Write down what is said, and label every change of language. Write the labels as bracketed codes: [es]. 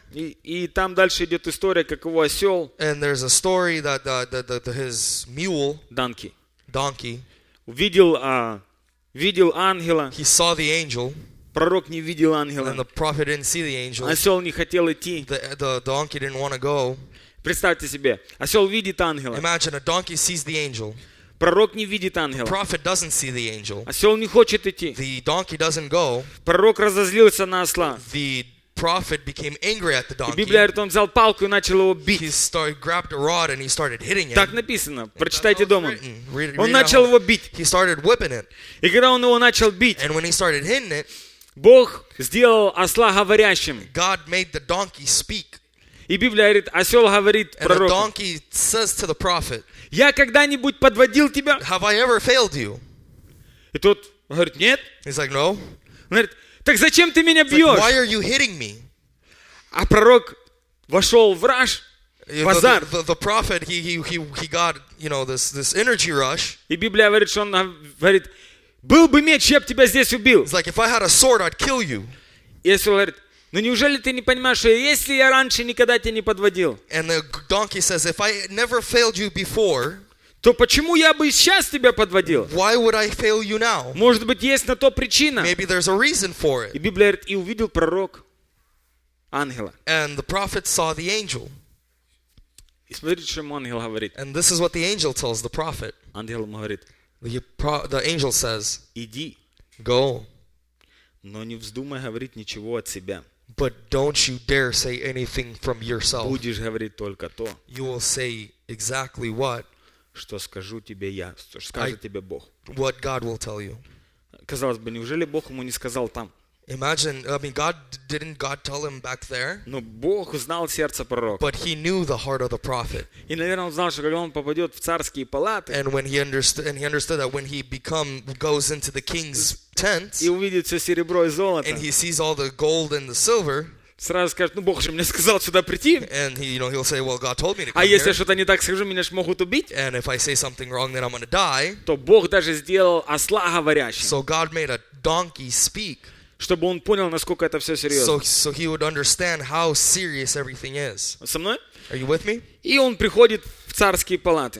[ru] И там дальше идет история, как его осел. [en] And there's a story that the his mule. Donkey. [ru] Видел ангела. [en] He saw the angel. [ru] Пророк не видел ангела. [en] And the prophet didn't see the angel. [ru] Осел не хотел идти. [en] The donkey didn't want to go. [ru] Представьте себе, осел видит ангела. [en] Imagine a donkey sees the angel. [ru] Пророк не видит ангела. [en] Prophet doesn't see the angel. [ru] Осел не хочет идти. [en] The donkey doesn't go. [ru] Пророк разозлился на осла. [en] The prophet became angry at the donkey. [ru] И Библия говорит, он взял палку и начал его бить. [en] He grabbed a rod and he started hitting him. [ru] Так написано. Прочитайте дома. [en] Read [ru] он начал его бить. [en] He started whipping it. [ru] И когда он его начал бить, [en] and when he started hitting it, [ru] Бог сделал осла говорящим. [en] God made the donkey speak. [ru] И Библия говорит, осел говорит пророку. [en] And the donkey says to the prophet, [ru] я когда-нибудь подводил тебя? [en] Have I ever failed you? [ru] И тот говорит, нет. [en] He's like, no. [ru] Он говорит, так зачем ты меня бьешь? [en] Why are you hitting me? [ru] А пророк вошел в раж, в азар. [en] The prophet, he got, you know, this energy rush. [ru] И Библия говорит, что он говорит, был бы меч, я бы тебя здесь убил. [en] He's like, if I had a sword, I'd kill you. [ru] И осел говорит, ну неужели ты не понимаешь, что если я раньше никогда тебя не подводил? [en] And the donkey says, if I never failed you before, [ru] то почему я бы сейчас тебя подводил? [en] Why would I fail you now? [ru] Может быть, есть на то причина. [en] Maybe there's a reason for it. [ru] И Библия говорит, и увидел пророк ангела. [en] And the prophet saw the angel. [ru] И смотрите, что ему ангел говорит. [en] And this is what the angel tells the prophet. [ru] Ангел ему говорит, [en] the angel says, [ru] иди. [en] Go. [ru] Но не вздумай говорить ничего от себя. [en] But don't you dare say anything from yourself. [ru] Будешь говорить только то. [en] You will say exactly what. [ru] Что скажу тебе я. Что скажет тебе Бог. [en] What God will tell you. [ru] Казалось бы, неужели Бог ему не сказал там? [en] Imagine, I mean, God, didn't God tell him back there? [ru] Но Бог знал сердце пророка. [en] But he knew the heart of the prophet. [ru] И, наверное, он знал, что когда он попадет в царские палаты, [en] and when he understood, that when he goes into the king's tents, [ru] и увидит все серебро и золото, [en] and he sees all the gold and the silver, [ru] сразу скажет, ну, Бог же мне сказал сюда прийти. [en] And he, you know, he'll say, well, God told me to come а [ru] А если я что-то не так скажу, меня ж могут убить. [en] And if I say something wrong, then I'm going to die. [ru] То Бог даже сделал осла говорящим. [en] So God made a donkey speak. [ru] Чтобы он понял, насколько это все серьезно. [en] So he would understand how serious everything is. [ru] Со мной? [en] Are you with me? [ru] И он приходит в царские палаты.